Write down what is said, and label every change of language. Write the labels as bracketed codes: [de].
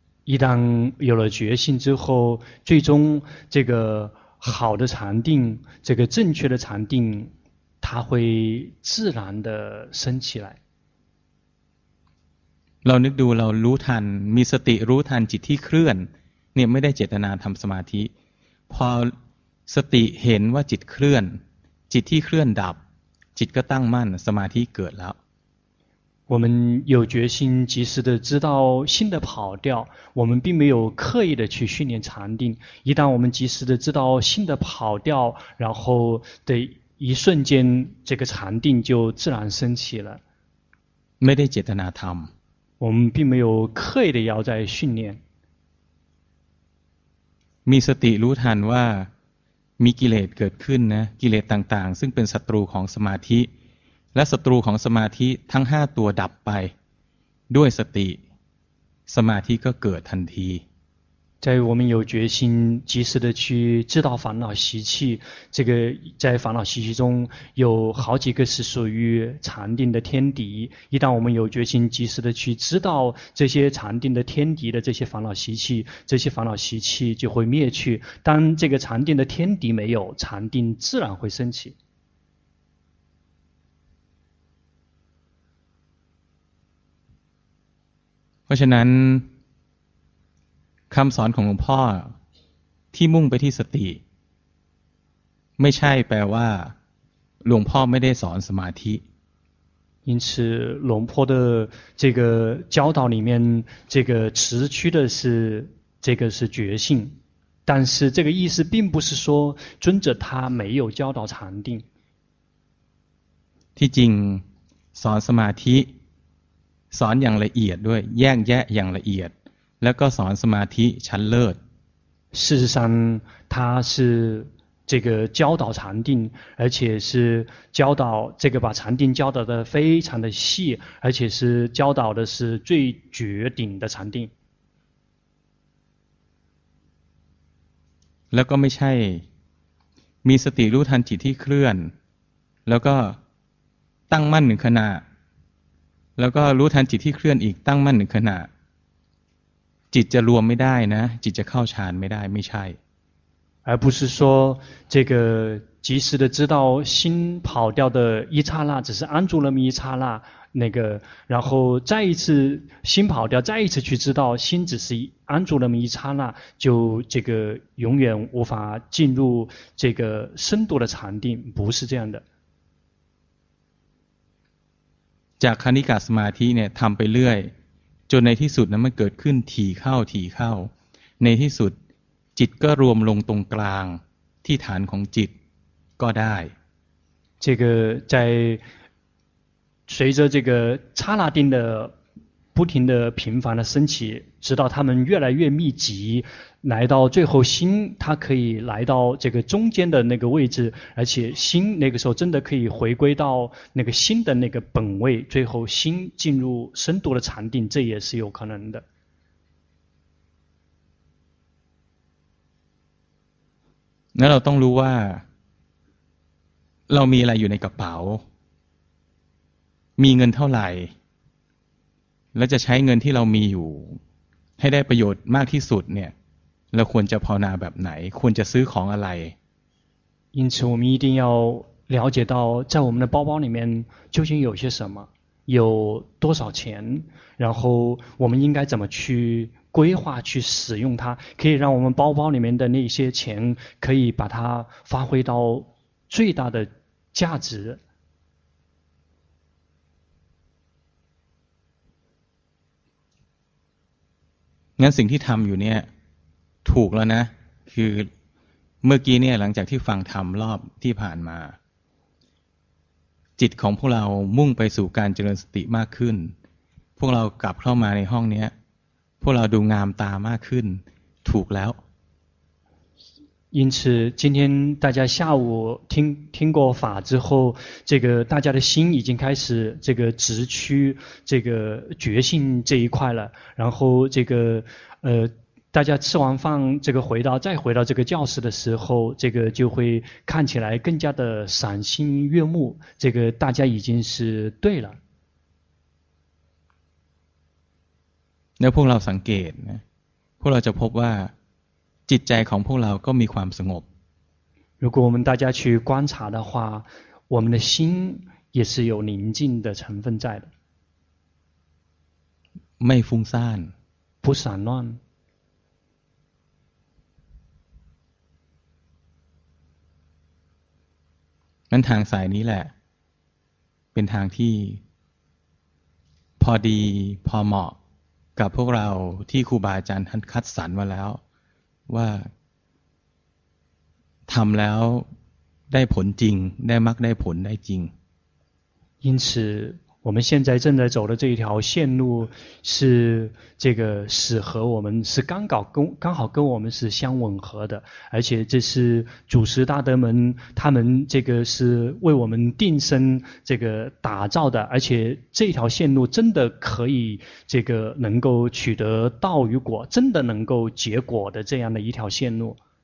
[zh] 一旦有了决心之后最终这个好的禅定这个正确的禅定它会自然的升起来 [th] เรานึกดูเรารู้ทันมีสติรู้ทันจิตที่เคลื่อนเนี่ยไม่ได้เจตนาทำสมาธิพอสติเห็นว่าจิตเคลื่อนจิตที่เคลื่อนดับจิตก็ตั้งมั่นสมาธิเกิดแล้ว [zh] 我们有决心及时的知道心的跑掉我们并没有刻意的去训练禅定一旦我们及时的知道心的跑掉然后的一瞬间这个禅定就自然升起了没得解得拿他们我们并没有刻意的要在训练 [th] มีสติรู้ทันว่ามีกิเลสเกิดขึ้นนะกิเลสต่างๆซึ่งเป็นศัตรูของสมาธิและศัตรูของสมาธิทั้ง5ตัวดับไปด้วยสติสมาธิก็เกิดทันที [zh] 在我们有决心及时的去知道烦恼习气这个在烦恼习气中有好几个是属于禅定的天敌一旦我们有决心及时的去知道这些禅定的天敌的这些烦恼习气这些烦恼习气就会灭去当这个禅定的天敌没有禅定自然会升起 [th] เพราะฉะนั้นคำสอนของหลวงพ่อที่มุ่งไปที่สติไม่ใช่แปลว่าหลวงพ่อไม่ได้สอนสมาธิ [zh] 因此หลวงพ่อ的这个教导里面这个持续的是这个是觉性但是这个意思并不是说尊者他没有教导禅定 [th] ที่จริงสอนสมาธิสอนอย่างละเอียดด้วยแยกแยะอย่างละเอียดแล้วก็สอนสมาธิชั้นเลิศ [zh] 事实上他是这个教导禅定而且是教导这个把禅定教导的非常的细而且是教导的是最绝顶的禅定 [th] แล้วก็ไม่ใช่มีสติรู้ทันจิตที่เคลื่อนแล้วก็ตั้งมั่นหนึ่งขณะแล้วก็รู้ทันจิตที่เคลื่อนอีกตั้งมั่นหนึ่งขณะจิตจะรวมไม่ได้นะจิตจะเข้าฌานไม่ได้ไม่ใช่ [zh] 而不是说这个及时的知道心跑掉的一刹那只是安住了那么一刹那那个然后再一次心跑掉再一次去知道心只是安住了那么一刹那就这个永远无法进入这个深度的禅定不是这样的 [th] จากคณิกะสมาธิเนี่ยทำไปเรื่อยจนในที่สุดนั้นมันเกิดขึ้นถี่เข้าถี่เข้าในที่สุดจิตก็รวมลงตรงกลางที่ฐานของจิตก็ได้ [zh] 这个在随着这个刹那定的不停的频繁的升起直到它们越来越密集来到最后心它可以来到这个中间的那个位置而且心那个时候真的可以回归到那个心的那个本位最后心进入深度的禅定这也是有可能的 [th] 那เราต้องรู้ว่าเรามีอะไรอยู่ในกระเป๋ามีเงินเท่าไหร่และจะใช้เงินที่เรามีอยู่ให้ได้ประโยชน์มากที่สุดเนี่ยเราควรจะภาวนาแบบไหนควรจะซื้อของอะไร [zh] 因此我们一定要了解到在我们的包包里面究竟有些什么有多少钱然后我们应该怎么去规划去使用它可以让我们包包里面的那些钱可以把它发挥到最大的价值 [th] งั้นสิ่งที่ทำอยู่เนี่ยถูกแล้วนะคือเมื่อกี้เนี่ยหลังจากที่ฟังธรรมรอบที่ผ่านมา จิตของพวกเรามุ่งไปสู่การเจริญสติมากขึ้นพวกเรากลับเข้ามาในห้องนี้พวกเราดูงามตามากขึ้นถูกแล้ว [zh] 因此今天大家下午 听过法之后，这个大家的心已经开始这个直趋这个觉性这一块了，然后这个大家吃完饭这个回到再回到这个教室的时候，这个就会看起来更加的赏心悦目，这个大家已经是对了。 [th] 那พวกเราสังเกตนะพวกเราจะพบว่าจิตใจของพวกเราก็มีความสงบ [zh] 如果我们大家去观察的话我们的心也是有宁静的成分在的 [th] ไม่ฟุ้งซ่าน [zh] 不散乱 [th] นั้นทางสายนี้แหละเป็นทางที่พอดีพอเหมาะกับพวกเราที่ครูบาอาจารย์ท่านคัดสรรมาแล้วว่าทำแล้วได้ผลจริงได้มรรคได้ผลได้จริง [zh] 因此我们现在正在走的这一条线路是这个适合我们是刚好跟刚好跟我们是相吻合的而且这是祖师大德们他们这个是为我们定身这个打造的而且这条线路真的可以这个能够取得道与果真的能够结果的这样的一条线路